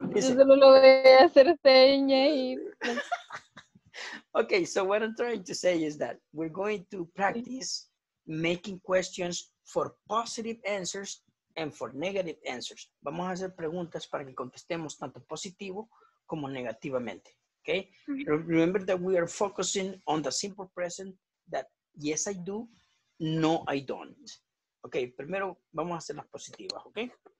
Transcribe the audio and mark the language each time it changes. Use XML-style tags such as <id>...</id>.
<es>Listen. Yo solo lo voy a hacer seña y...</es> <en>Okay, so what I'm trying to say is that we're going to practice making questions for positive answers and for negative answers.</en> <es>Vamos a hacer preguntas para que contestemos tanto positivo como negativamente.</es> <en>Okay, remember that we are focusing on the simple present that yes, I do, no, I don't.</en> <es>Okay, primero vamos a hacer las positivas, okay?</es>